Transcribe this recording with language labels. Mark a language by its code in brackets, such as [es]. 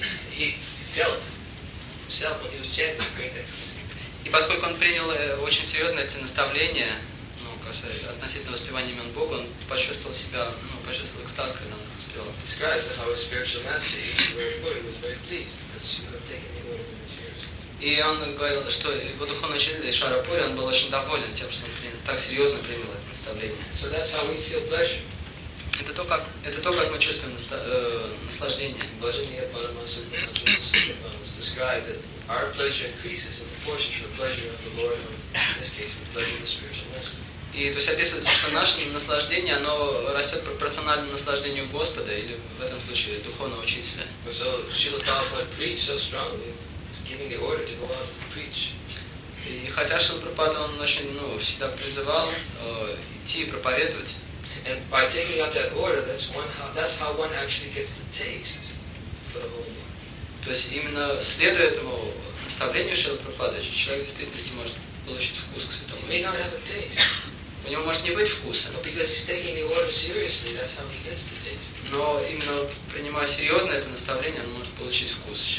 [en] He felt himself when he was chanting the great ecstasy. [ru] И поскольку он принял очень серьезные эти наставления, ну, касаясь, относительно воспевания имен Бога, он почувствовал себя, ну, почувствовал экстаз, когда он воспевал. [en] He described how his spiritual master, he was very pleased, because you have taken the word of him seriously. [ru] И он говорил, что его духовный учитель Ишвара Пури, он был очень доволен тем, что он принял, так серьезно принял это наставление. [en] So that's how we feel pleasure. [ru] Это то, как мы чувствуем наслаждение. [en] Блаженные Парамасутра, it's described that our pleasure increases in proportion to the pleasure of the Lord, in this case, the pleasure of the spiritual master. [ru] И то есть описывается, что наше наслаждение, оно растет пропорционально наслаждению Господа, или в этом случае духовного учителя. [en] So Srila Prabhupada preached so strongly, giving the order to go out and preach. [ru] И хотя Шрила Прабхупада, он очень, ну, всегда призывал идти и проповедовать. [en] And by taking up that order, that's how one actually gets the taste for the Holy. [ru] То есть именно следуя этому наставлению Шрилы Прабхупады, человек в действительности может получить вкус к святому. [en] He may not have a taste. [ru] У него может не быть вкуса. [en] But because he's taking the order seriously, that's how he gets the taste. [ru] Но именно принимая серьезно это наставление, он может получить вкус.